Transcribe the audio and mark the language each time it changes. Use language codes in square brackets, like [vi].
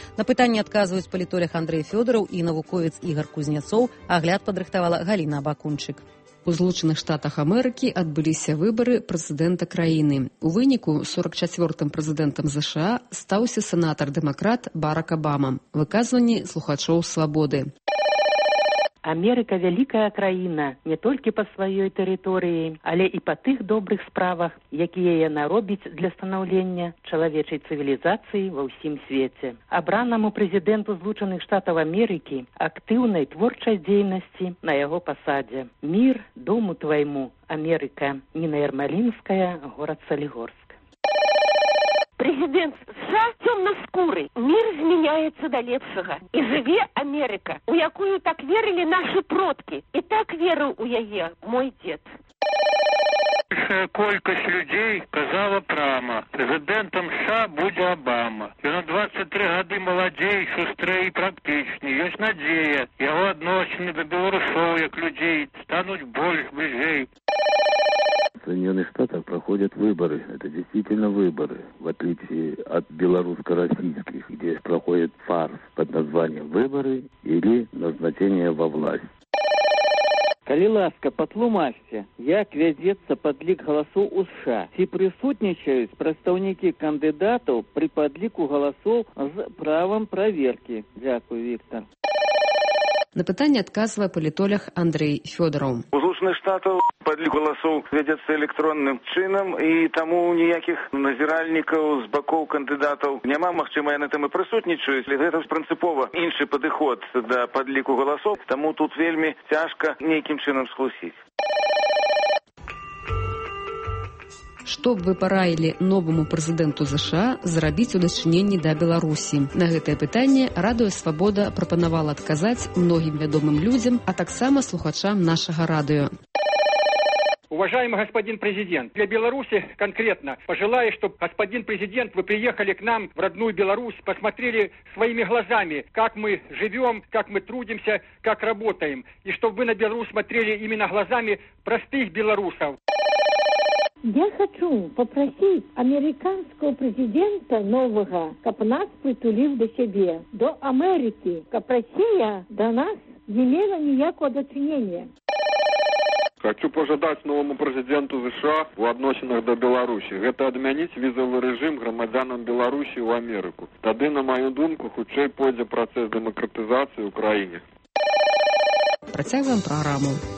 [be] На пытанні адказваюць палітолях Андрэй Фёдараў і навуковец Ігар Кузнецоў. Агляд падрыхтавала Галіна Абакунчык. У Злучаных Штатах Амерыкі адбыліся выбары прэзідэнта краіны. У выніку 44-м прэзідэнтам ЗША стаўся сенатар-дэмакрат Барак Абама. Выказванні слухачоў «Свабоды». [ru] Америка – великая краина не только по своей территории, але и по тих добрых справах, якія яна робить для становления человечей цивилизации во всем свете. Обранному президенту Злучаних Штатов Америки активной творчей деятельности на его посаде. Мир дому твоему, Америка. Нина Ермолинская, город Солигорск. Президент США темноскурый. Мир изменяется до лепшего. И живе Америка, у якую так верили наши предки. И так верил у яе мой дед. [be] Большая колькасць людзей казала прама, прэзідэнтам США будзе Абама. Ён на 23 гады маладзей, шустрэй і практычней. Ёсць надзея, яго адносіны да беларусоў, як людзей, стануць больш бліжэй. [ru] В Соединенных Штатах проходят выборы. Это действительно выборы, в отличие от белорусско-российских, где проходит фарс под названием «Выборы» или «Назначение во власть». [be] Калі ласка, патлумачце, як вядзецца падлік галасоў у США? Ці прысутнічаюць прадстаўнікі кандыдатаў пры падліку галасоў з правам праверкі? Дзякую, Віктар. На пытанне адказвае палітолях Андрэй Фёдараў. У Злучаных Штатах падлік галасоў вядзецца электронным чынам, і таму ніякіх назіральнікаў з бакоў кандыдатаў няма, магчыма, яны там і прысутнічаюць. Гэта прынцыпова іншы падыход да падліку галасоў, таму тут вельмі цяжка нейкім чынам схлусіць. Што б вы параілі новаму прэзідэнту ЗША зрабіць у дачыненні да Беларусі? На гэтае пытанне Радыё Свабода прапанавала адказаць многім вядомым людзям, а таксама слухачам нашага радыё. [ru] Уважаемый господин президент, для Беларуси конкретно пожелаю, чтобы господин президент, вы приехали к нам в родную Беларусь, посмотрели своими глазами, как мы живем, как мы трудимся, как работаем. И чтобы вы на Беларусь смотрели именно глазами простых белорусов. Я хочу попросить американского президента нового, как нас притулил до себе, до Америки, как Россия до нас не имела никакого дочинения. [be] Хочу пожадаць новому прэзідэнту ЗША ў адносінах да Беларусі. Гэта адмяніць візавы рэжым грамадзянам Беларусі ў Амерыку. Тады, на маю думку, хутчэй пойдзе працэс дэмакратызацыі ў краіне. Працягваем праграму.